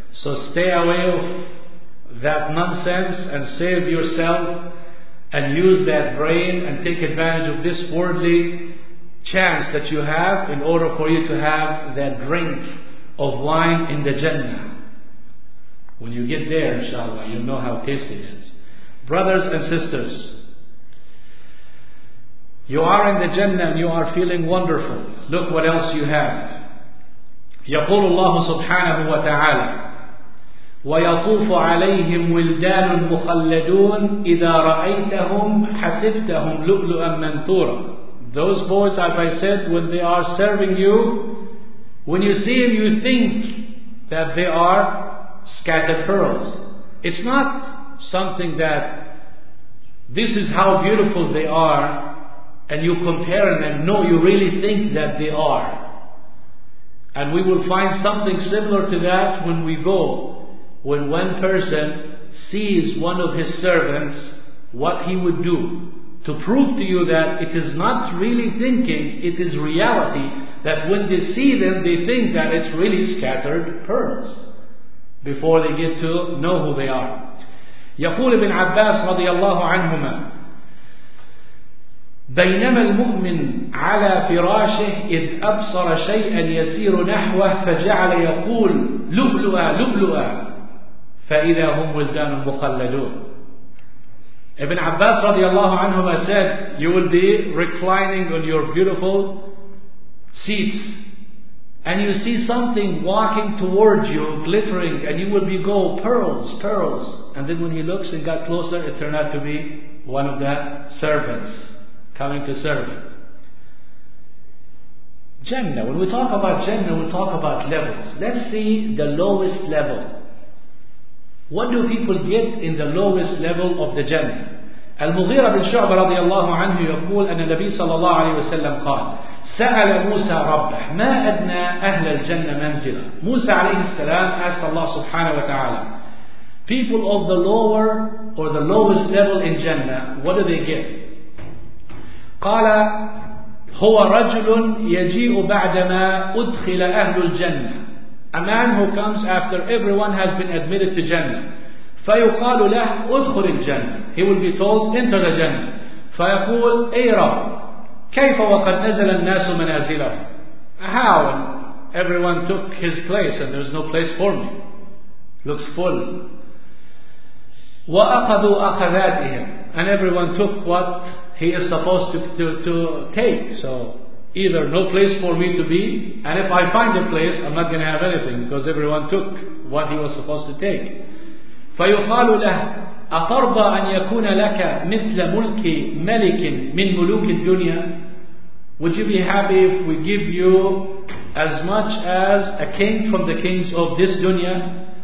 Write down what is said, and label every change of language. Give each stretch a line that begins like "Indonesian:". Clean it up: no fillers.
English: So stay away of that nonsense and save yourself and use that brain and take advantage of this worldly chance that you have in order for you to have that drink of wine in the Jannah. When you get there, inshallah, you know how tasty it is. Brothers and sisters, you are in the Jannah and you are feeling wonderful. Look what else you have.
Arabic: يقول الله سبحانه وتعالى ويطوف عليهم ولدان مخلدون إذا رأيتهم حسبتهم لؤلؤا منثورا.
English: Those boys, as I said, when they are serving you, when you see them, you think that they are scattered pearls. It's not something that this is how beautiful they are and you compare them. No, you really think that they are. And we will find something similar to that when we go. When one person sees one of his servants, what he would do. To prove to you that it is not really thinking, it is reality, that when they see them, they think that it's really scattered pearls before they get to know who they are.
Arabic: يقول ابن عباس رضي الله عنهما بينما المؤمن على فراشه إذ أبصر شيئا يسير نحوه فجعل يقول لؤلؤا لؤلؤا فإذا هم ولدان مخلدون.
English: ابن عباس رضي الله عنهما said, you will be reclining on your beautiful seats and you see something walking towards you glittering and you will be go pearls, pearls. And then when he looks and got closer, it turned out to be one of the servants coming to serve. Jannah. When we talk about Jannah, we talk about levels. Let's see the lowest level. What do people get in the lowest level of the Jannah?
Arabic: المغيرة بن شعبة رضي الله عنه يقول أن النبي صلى الله عليه وسلم قال سأل موسى ربه ما أدنى أهل الجنة منزلة.
English: موسى عليه السلام asked Allah سبحانه وتعالى, people of the lower or the lowest level in Jannah, what do they get?
Arabic: قال هو رجل يجيء بعدما أدخل أهل الجنة,
English: a man who comes after everyone has been admitted to Jannah.
Arabic: فيقال له ادخل الجنة.
English: He will be told enter the Jannah.
Arabic: فيقول أي رب كيف وقد نزل الناس منازله.
English: How everyone took his place and there is no place for me. Looks full.
Arabic: وأخذوا أخذاتهم.
English: And everyone took what he is supposed to take. So either no place for me to be, and if I find a place I'm not going to have anything because everyone took what he was supposed to take.
Arabic: فيقال له أترضى أن يكون لك مثل ملك ملك من ملوك الدنيا.
English: Would you be happy if we give you as much as a king from the kings of this dunya?